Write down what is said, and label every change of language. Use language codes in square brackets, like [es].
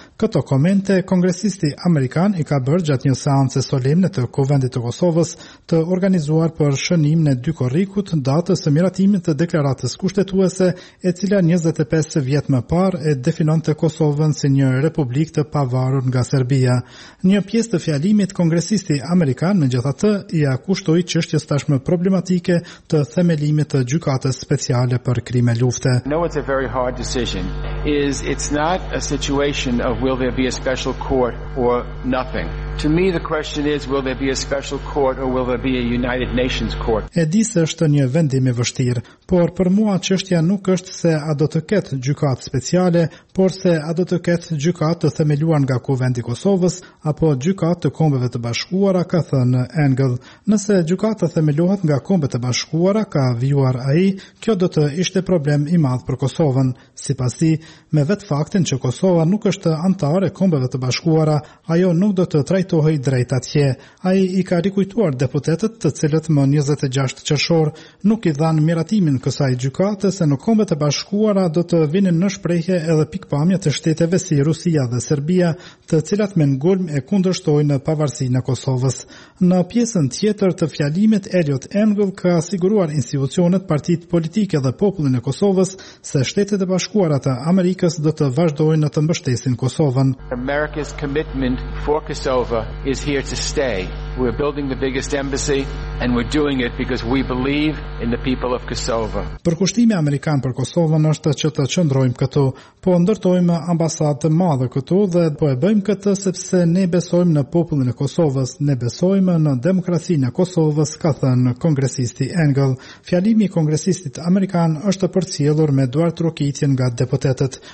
[sq] Këto komente kongresisti amerikan i ka bërë gjatë një seance solemne të Kuvendit të Kosovës të organizuar për shënimin e dy korrikut, datës së miratimit të deklaratës kushtetuese, e cila 25 vjet më parë e definonte Kosovën si një republikë të pavarur nga Serbia. Një pjesë të fjalimit kongresisti amerikan, megjithatë, i akushtoi çështjes tashmë problematike të themelimit të gjykatës speciale për krime lufte. [en] No, it's a very hard decision. It's not a situation of will there be a special court or nothing. To me the question is will there be a special court or will there be a United Nations court. [sq] E di se është një vendim i vështirë, por për mua çështja nuk është se a do të ketë gjykatë speciale, por se a do të ketë gjykatë të themeluar nga Kuvendi i Kosovës apo gjykatë të Kombeve të Bashkuara, ka thënë Engel. Nëse gjykata themelohet nga Kombet e Bashkuara, ka vjuar ai, kjo do të ishte problem i madh për Kosovën. Sipas tij, me vetë faktin që Kosova nuk është antare Kombeve të Bashkuara, ajo nuk do të trajtohej drejt atje. Ai i ka rikujtuar deputetët, të cilët më 26 qershor nuk i dhanë miratimin kësaj gjykate, se në Kombet e Bashkuara do të vinin në shprehje edhe pikpamje të shteteve si Rusia dhe Serbia, të cilat me ngulm e kundërshtojnë pavarësinë e Kosovës. Në pjesën tjetër të fjalimit, Elliot Engel ka siguruar institucionet, partitë politike dhe popullin e Kosovës se Shtetet e Bashkuara të Amerikës do të vazhdojnë të mbështesin Kosovën. [en] America's commitment for Kosovo is here to stay. We're building the biggest embassy and we're doing it because we believe in the people of Kosovo. [sq] Përkushtimi amerikan për Kosovën është që të qëndrojmë këtu, po ndërtojmë ambasadë të madhe këtu dhe po e bëjmë këtë sepse ne besojmë në popullin e Kosovës, ne besojmë në demokracinë e Kosovës, ka thënë kongresisti Engel. Fjalimi i kongresistit amerikan është përcjellur me duart rrokitjen nga deputetët.